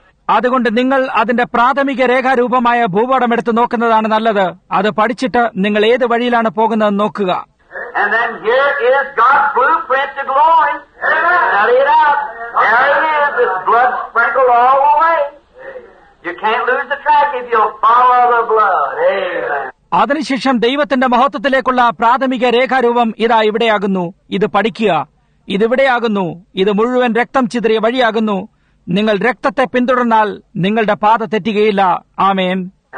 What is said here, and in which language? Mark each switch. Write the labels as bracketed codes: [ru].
[ml] അതുകൊണ്ട് നിങ്ങൾ അതിന്റെ പ്രാഥമിക രേഖാരൂപമായ ഭൂപടം എടുത്ത് നോക്കുന്നതാണ് നല്ലത്. അത് പഠിച്ചിട്ട് നിങ്ങൾ ഏത് വഴിയിലാണ് പോകുന്നത് നോക്കുക. [en] And then here is God's blueprint to glory. Study it out. There it is. It's blood sprinkled all the way. You can't lose the track if you'll follow the blood. Amen. [ml] അതിനുശേഷം ദൈവത്തിന്റെ മഹത്വത്തിലേക്കുള്ള പ്രാഥമിക രേഖാരൂപം ഇതാ ഇവിടെയാകുന്നു. ഇത് പഠിക്കുക. ഇതിവിടെയാകുന്നു. ഇത് മുഴുവൻ രക്തം ചിതറിയ വഴിയാകുന്നു. നിങ്ങൾ രക്തത്തെ പിന്തുടർന്നാൽ നിങ്ങളുടെ പാത തെറ്റുകയില്ല. ആമേൻ.